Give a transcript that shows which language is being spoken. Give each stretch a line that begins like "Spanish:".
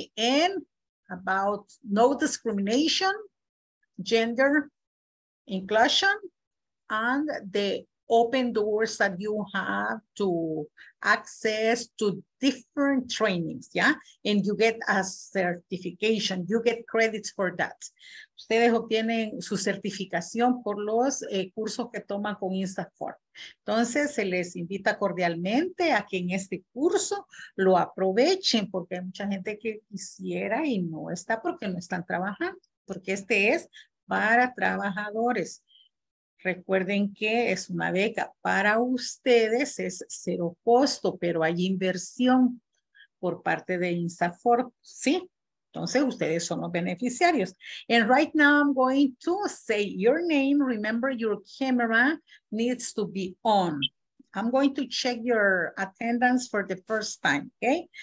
English: And about no discrimination, gender inclusion, and the open doors that you have to access to different trainings, ¿ya? Yeah? And you get a certification, you get credits for that.
Spanish: Ustedes obtienen su certificación por los cursos que toman con INSAFORP. Entonces, se les invita cordialmente a que en este curso lo aprovechen, porque hay mucha gente que quisiera y no está porque no están trabajando, porque este es para trabajadores. Recuerden que es una beca. Para ustedes es cero costo, pero hay inversión por parte de INSAFORP, ¿sí? Entonces, ustedes son los beneficiarios.
English: And right now I'm going to say your name. Remember, your camera needs to be on. I'm going to check your attendance for the first time, okay?